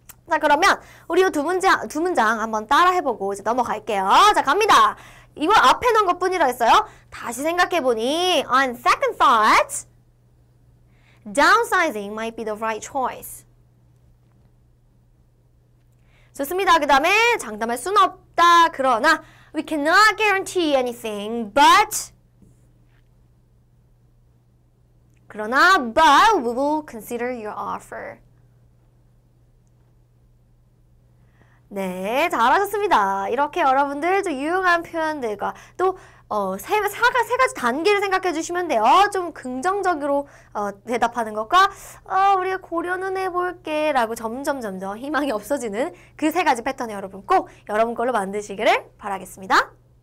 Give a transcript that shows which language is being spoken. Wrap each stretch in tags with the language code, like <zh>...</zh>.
<ko>자, 그러면 우리 이 두 문장 한번 따라 해보고 이제 넘어갈게요. 자, 갑니다. 이거 앞에 넣은 것 뿐이라 했어요. 다시 생각해보니</ko> <en>On second thought, downsizing might be the right choice.</en> <ko>좋습니다. 그 다음에 장담할 수는 없다.</ko> <en>그러나 We cannot guarantee anything, but 그러나 but we will consider your offer.</en> <ko>네, 잘하셨습니다. 이렇게 여러분들 좀 유용한 표현들과 또 세 가지 단계를 생각해 주시면 돼요. 좀 긍정적으로 대답하는 것과 우리가 고려는 해볼게 라고 점점 희망이 없어지는 그 세 가지 패턴을 여러분 꼭 여러분 걸로 만드시기를 바라겠습니다.</ko>